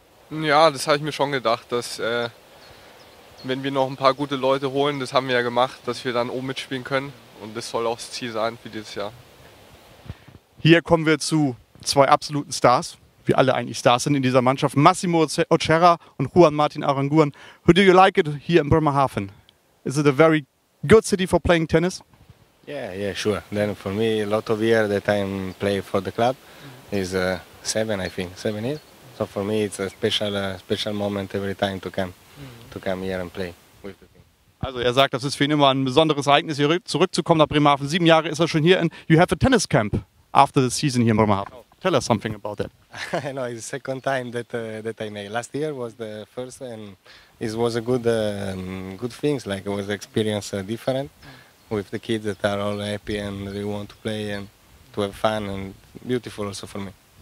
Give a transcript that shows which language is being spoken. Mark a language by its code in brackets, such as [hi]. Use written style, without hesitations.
[de] Ja, das habe ich mir schon gedacht, dass wenn wir noch ein paar gute Leute holen, das haben wir ja gemacht, dass wir dann oben mitspielen können. Und das soll auch das Ziel sein für dieses Jahr. Hier kommen wir zu zwei absoluten Stars, wie alle eigentlich Stars sind in dieser Mannschaft. Massimo Ocera und Juan Martin Aranguren. [en] How do you like it here in Bremerhaven? Is it a very good city for playing tennis? Yeah, sure. Then for me, a lot of years that I play for the club is seven years. So for me, it's a special moment every time to come here and play with the team. [de] Also er sagt, das ist für ihn immer ein besonderes Ereignis, hier zurückzukommen nach Bremerhaven. 7 Jahre ist er schon hier. [en] And you have a tennis camp after the season here in Bremerhaven. Oh. Tell us something about that. I know, it's the second time that I made. Last year was the first and it was a good things, like it was experience different with the kids that are all happy and they want to play and to have fun and beautiful also for me.